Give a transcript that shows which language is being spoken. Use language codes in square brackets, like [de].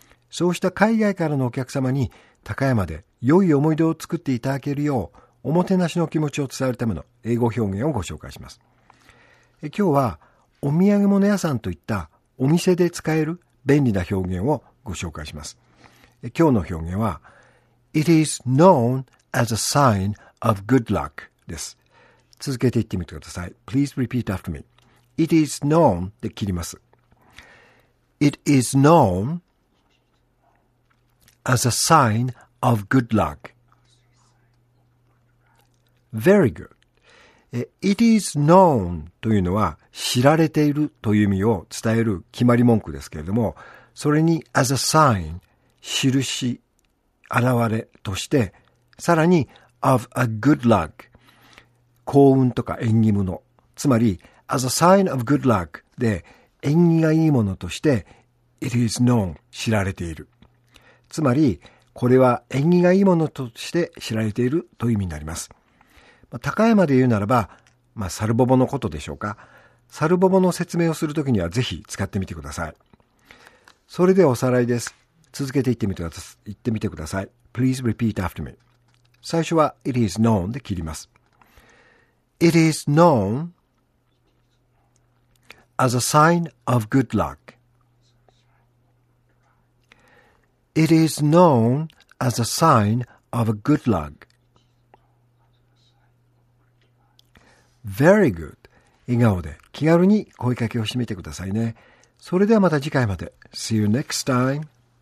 [ja] そうした海外からのお客様に高山で良い思い出を作っていただけるよう、おもてなしの気持ちを伝えるための英語表現をご紹介します。今日はお土産物屋さんといったお店で使える便利な表現をご紹介します。今日の表現は、 [en] It is known as a sign of good luck [ja] です。続けて言ってみてください。 [en] Please repeat after me. It is known [ja] で切ります。 [en] It is known as a sign of good luck. Very good. It is known [ja] というのは知られているという意味を伝える決まり文句ですけれども、それに as a sign、印、現れとして、さらに of a good luck、 幸運とか縁起物、つまり [en] as a sign of good luck [ja] で縁起がいいものとして it is known、 知られている、つまりこれは縁起がいいものとして知られているという意味になります。高山で言うならば、サルボボのことでしょうか。サルボボの説明をするときにはぜひ使ってみてください。それではおさらいです。続けて言ってみてください。 [en] Please repeat after me. [ja] 最初は [en] It is known [ja] で切ります。 [en] It is known as a sign of good luck. It is known as a sign of a good luck. Very good. [ja] 笑顔で気軽に声かけをしてみてくださいね。それではまた次回まで。 [en] See you next time.